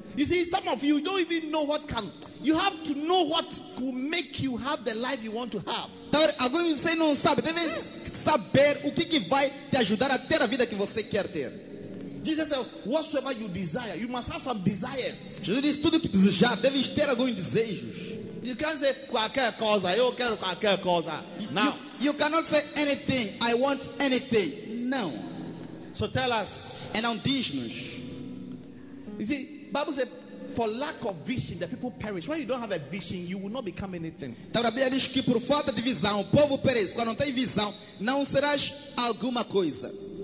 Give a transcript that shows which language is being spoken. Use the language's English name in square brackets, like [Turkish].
[English] You see, some of you don't even know what can. You have to know what will make you have the life you want to have. [Portuguese] Então, alguns você não sabe, deve saber o que vai te ajudar a ter a vida que você quer ter. [English] Jesus said, whatsoever you desire, you must have some desires. [Portuguese] Jesus disse, tudo que desejar, deve ter alguns desejos. [English] You can't say [Portuguese] qualquer coisa, eu quero qualquer coisa. [English] Now, you cannot say anything, I want anything. No. So tell us. [Portuguese] And on diz-nos. [English] You see, Bible says, for lack of vision, the people perish. When you don't have a vision, you will not become anything. [Portuguese] Então a Bíblia diz que por falta de visão, o povo perece. Quando não tem visão, não serás alguma coisa.